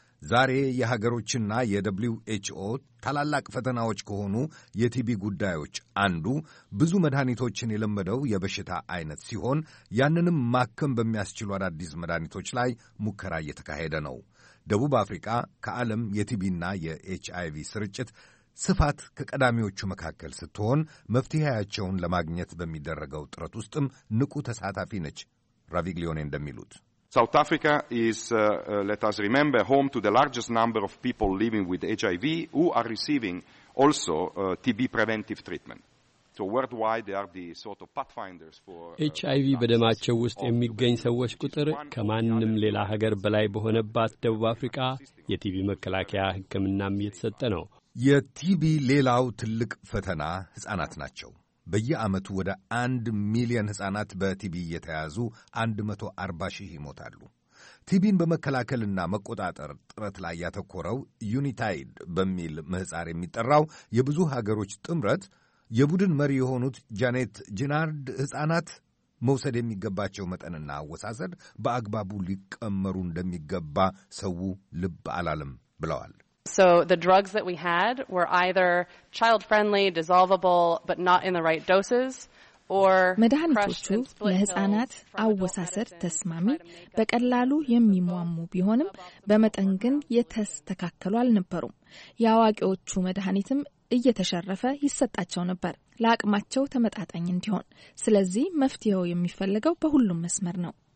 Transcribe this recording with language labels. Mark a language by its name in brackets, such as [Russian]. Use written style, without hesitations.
[Amharic] ዛሬ የሀገሮችና የደብሊው ኤችኦ ታላላቅ ፈተናዎች ከሆኑ የቲቢ ጉዳዮች አንዱ ብዙ መድኃኒቶችን የለመደው የበሽታ አይነት ሲሆን ያንንም ማከም በሚያስችሉ አዳዲስ መድኃኒቶች ላይ ሙከራ እየተካሄደ ነው። ደቡብ አፍሪካ ከዓለም የቲቢና የኤችአይቪ ስርጭት ስፋት ከቀዳሚዎቹ መካከል ስትሆን መፍትሄያቸውን ለማግኘት በሚደረገው ጥረት ውስጥም ንቁ ተሳታፊ ነች። ራቪግሊዮኔ እንደሚሉት [English] South Africa is, let us remember, home to the largest number of people living with HIV who are receiving also TB preventive treatment. So worldwide they are the sort of pathfinders for [Amharic] HIV በደማቸው ውስጥ የሚገኝ ሰዎች ቁጥር ከማንም ሌላ ሀገር በላይ በሆነባት ደቡብ አፍሪካ የቲቢ መከላከያ ሕክምናም እየተሰጠ ነው። የቲቢ ሌላው ትልቅ ፈተና ሕፃናት ናቸው። በየዓመቱ ወደ 1 ሚሊዮን ሕፃናት በቲቢ እየተያዙ 140 ሺህ ይሞታሉ። ቲቢን በመከላከልና መቆጣጠር ጥረት ላይ ያተኮረው ዩኒታይድ በሚል ምህፃር የሚጠራው የብዙ ሀገሮች ጥምረት የቡድን መሪ የሆኑት ጃኔት ጂናርድ ሕፃናት መውሰድ የሚገባቸው መጠንና አወሳሰድ በአግባቡ ሊቀመሩ እንደሚገባ ሰው ልብ አላለም ብለዋል። [English] So the drugs that we had were either child friendly dissolvable but not in the right doses or [Amharic] መድኃኒቶቹ ለህፃናት አወሳሰድ ተስማሚ በቀላሉ የሚሟሙ ቢሆንም በመጠን ግን የተስተካከሉ አልነበሩም። ያዋቂዎቹ መድኃኒትም እየተሸረፈ ይሰጣቸው ነበር ለአቅማቸው ተመጣጣኝ እንዲሆን። ስለዚህ መፍትሄው የሚፈልገው በሁሉም መስመር ነው።